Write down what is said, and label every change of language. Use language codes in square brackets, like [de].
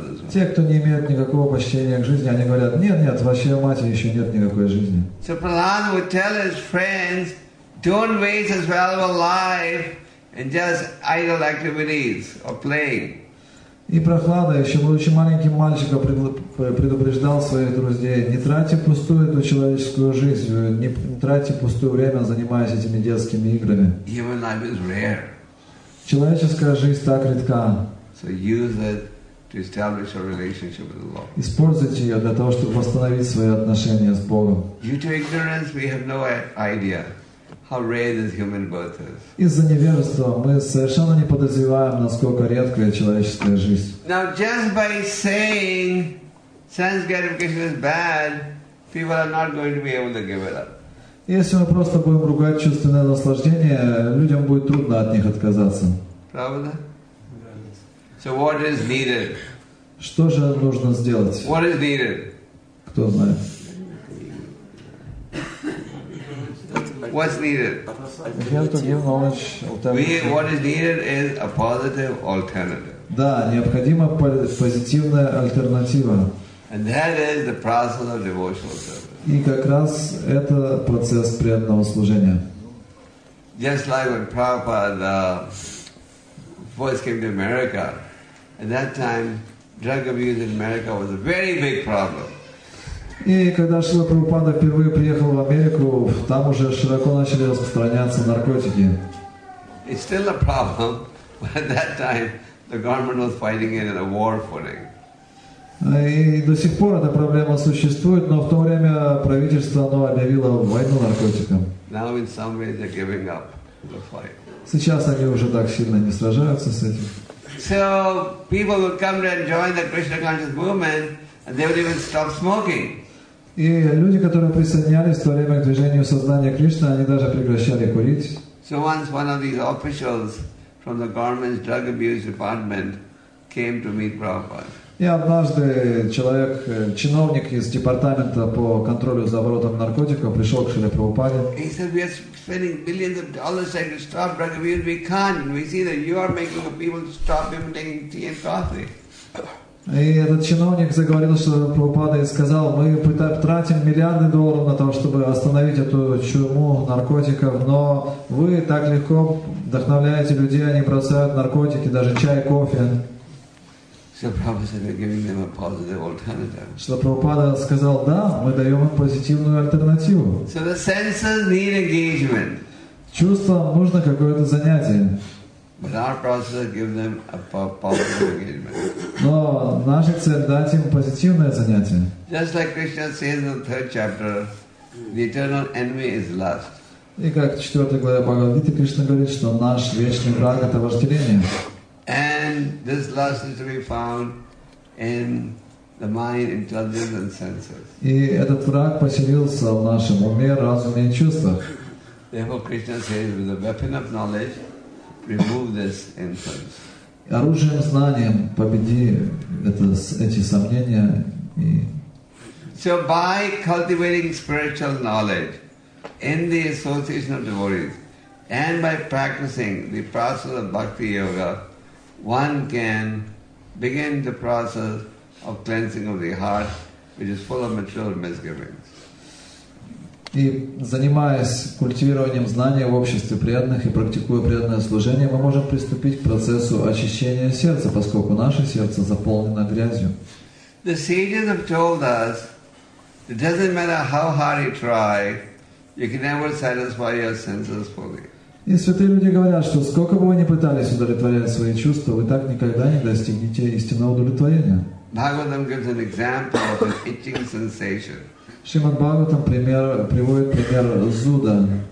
[ru] Те, кто не имеют никакого почтения к жизни, они говорят, нет, в чреве матери еще нет никакой жизни. [en] So Prahlad would tell his friends, don't waste his valuable life in just idle activities or playing. [ru] И Прахлада, еще будучи маленьким мальчиком, предупреждал своих друзей, не тратьте пустую эту человеческую жизнь, не тратьте пустое время, занимаясь этими детскими играми. [en] Human life is rare. [ru] Человеческая жизнь так редка. [en] So use it to establish a relationship with the Lord. [ru] Используйте ее для того, чтобы восстановить свои отношения с Богом. [en] Due to ignorance, we have no idea how rare this human birth is. [ru] Из-за невежества мы совершенно не подозреваем, насколько редкая человеческая жизнь. [en] Now, just by saying sense gratification is bad, people are not going to be able to give it up. [ru] Если мы просто будем ругать чувственное наслаждение, людям будет трудно от них отказаться. Правда? [en] So what is needed? [ru] Что же нужно сделать? [en] What is needed? [ru] Кто знает? [en] What's needed? We have to give knowledge alternative. What is needed is a positive alternative. [ru] Да, необходима позитивная альтернатива. [en] And that is the process of devotional service. [ru] И как раз это процесс преданного служения. [en] Just like when Prabhupada first came to America. At that time, drug abuse in America was a very big problem. [ru] И когда Шрила Прабхупада впервые приехал в Америку, там уже широко начали распространяться наркотики. [en] It's still a problem, but at that time, the government was fighting it in a war footing. [ru] И до сих пор эта проблема существует, но в то время правительство объявило войну наркотикам. [en] Now in some ways they're giving up the fight. [ru] Сейчас они уже так сильно не сражаются с этим. [en] So people would come and join the Krishna conscious movement, and they would even stop smoking. [ru] И люди, которые присоединялись в то время к движению сознания Кришны, они даже прекращали курить. [en] So once one of these officials from the government's drug abuse department came to meet Prabhupada. [ru] И однажды человек, чиновник из департамента по контролю за оборотом наркотиков, пришел к Шриле Прабхупаде. [en] He said, we are spending billions of dollars trying to stop drug abuse. We can't. We see that you are making the people to stop even taking tea and coffee. [ru] И этот чиновник заговорил с Шриле Прабхупадой и сказал, мы тратим миллиарды долларов на то, чтобы остановить эту чуму наркотиков, но вы так легко вдохновляете людей, они бросают наркотики, даже чай, кофе. [en] So Prabhupada said, we're giving them a positive alternative. [ru] Шрила Прабхупада сказал, да, мы даем им позитивную альтернативу. [en] So the senses need engagement. [ru] Чувствам нужно какое-то занятие. [en] But our process gives them a positive engagement. [ru] Но наша цель дать им позитивное занятие. [en] Just like Krishna says in the third chapter, the eternal enemy is lust. [ru] И как в 4 главе Бхагавад-гиты Кришна говорит, что наш вечный враг это вожделение. [en] And this lust is to be found in the mind, intelligence, and senses. [ru] И этот враг поселился в нашем уме, разуме и чувствах. [en] Therefore, Krishna says, with the weapon of knowledge, remove this influence. [ru] Оружием знания победи эти сомнения и [en] So by cultivating spiritual knowledge in the association of devotees and by practicing the process of bhakti yoga, one can begin the process of cleansing of the heart, which is full of material misgivings. [ru] И занимаясь культивированием знания в обществе преданных и практикуя преданное служение, мы можем приступить к процессу очищения сердца, поскольку наше сердце заполнено грязью. [en] The sages have told us it doesn't matter how hard you try, you can never satisfy your senses fully. [ru] И святые люди говорят, что сколько бы вы ни пытались удовлетворять свои чувства, вы так никогда не достигнете истинного удовлетворения. [en] Bhagavatam gives an example of an itching sensation. [ru] Шримад Бхагаватам приводит пример зуда.